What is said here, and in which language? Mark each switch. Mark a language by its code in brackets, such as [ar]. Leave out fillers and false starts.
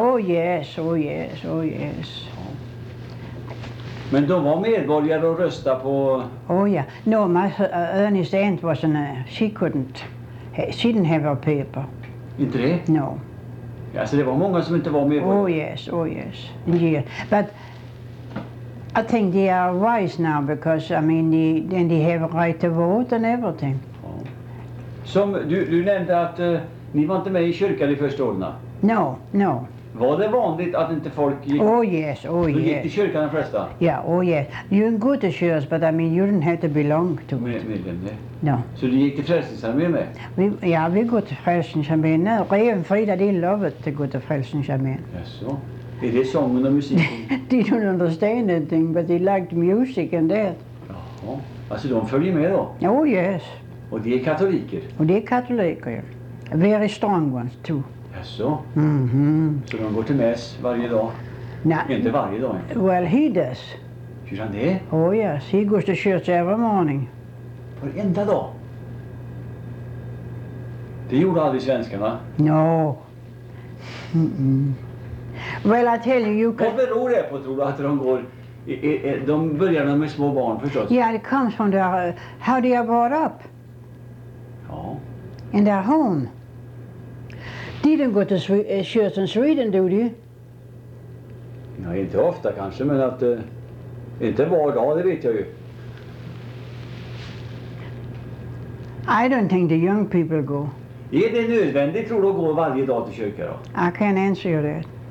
[en] Oh yes, oh yes, oh yes. [sv] Men de var medborgare och rösta på... [en] Oh yeah. No, my Ernest aunt wasn't there. She couldn't. She didn't have her paper. [sv] Inte det? [en] No. [sv] Alltså det var många som inte var medborgare. [en] Oh yes, indeed. But I think they are wise now because, I mean, then they have right to vote and everything. [sv] Som du nämnde att ni var inte med i kyrkan i första åren. [en] No, no. [sv] Var det vanligt att inte folk gick? [en] Oh yes, oh yes. [sv] Du gick till kyrkan de flesta? [en] Yeah, oh yes. You can go to church, but I mean, you don't have to belong to it. No. [sv] Så du gick till Frälsningsarmén med? Vi går till Frälsningsarmén. [en] No, Reven Frida, de love it to go to Frälsningsarmén. [sv] Jaså. Är det sången och musiken? [en] They don't understand anything, but they liked music and that. [sv] Jaha, alltså de följer med då? [en] Oh yes. [sv] Och de är katoliker? Och de är katoliker, ja. [en] Very strong ones too. [sv] Jaså? Mm-hmm. Så de går till mäss varje dag? Nej. Inte varje dag? [en] Well, he does. [sv] Gör han det? [en] Oh yes, he goes to church every morning. [sv] Varenda dag? Det gjorde aldrig svenskarna? [en] No. Mm-mm. Well, I tell you, [sv] vad beror det på, tror du, att de går, de börjar med små barn förstås? [en] Yeah, it comes from their, how they are brought up. Ja. In their home. They didn't go to church in Sweden, do they? [sv] Nej, ja, inte ofta kanske, men att, inte var dag, det vet jag ju. [en] I don't think the young people go. [sv] Är det nödvändigt, tror du, att gå varje dag till kyrka då? [en] I can't answer you that.